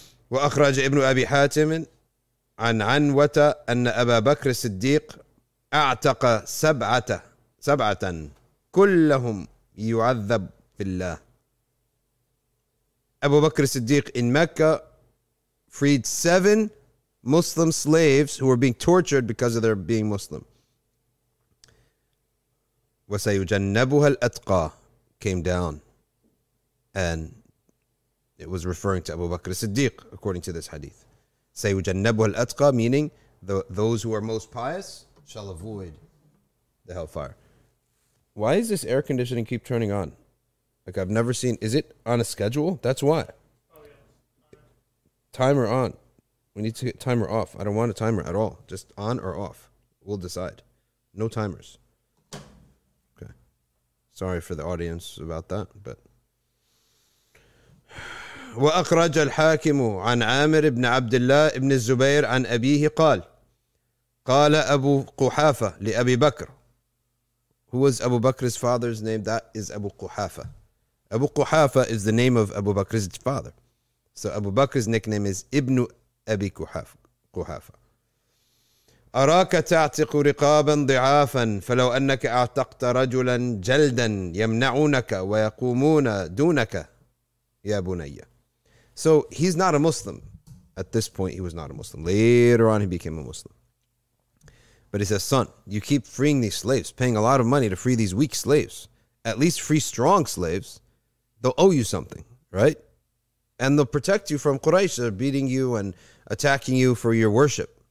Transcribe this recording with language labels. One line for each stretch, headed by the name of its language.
Arabic: وأخرج ابن أبي حاتم عن عنوة أن أبا بكر الصديق أعتق سبعة كلهم يعذب في الله.
English: أبو بكر الصديق in Mecca freed 7 Muslim slaves who were being tortured because of their being Muslim.
Arabic: وسيجنبها الأتقى
English: came down and it was referring to Abu Bakr as-Siddiq, according to this hadith.
Arabic: سَيُجَنَّبُهَا الْأَتْقَى,
English: meaning those who are most pious shall avoid the hellfire. Why is this air conditioning keep turning on? Like, I've never seen... Is it on a schedule? That's why. Oh, yeah. Timer on. We need to get timer off. I don't want a timer at all. Just on or off. We'll decide. No timers. Okay. Sorry for the audience about that, but...
Arabic: وأخرج الحاكم عن عامر بن عبد الله بن الزبير عن أبيه قال قال أبو قحافة لأبي بكر.
English: Who was Abu Bakr's father's name? That is Abu Quhafa. Abu Quhafa is the name of Abu Bakr's father. So Abu Bakr's nickname is Ibn Abi Quhafa.
Arabic: أراك تعتق رقابا ضعافا فلو أنك اعتقت رجلا جلدا يمنعونك ويقومون دونك يا بنيا.
English: So he's not a Muslim. At this point, he was not a Muslim. Later on, he became a Muslim. But he says, son, you keep freeing these slaves, paying a lot of money to free these weak slaves. At least free strong slaves. They'll owe you something, right? And they'll protect you from Quraysh. They're beating you and attacking you for your worship.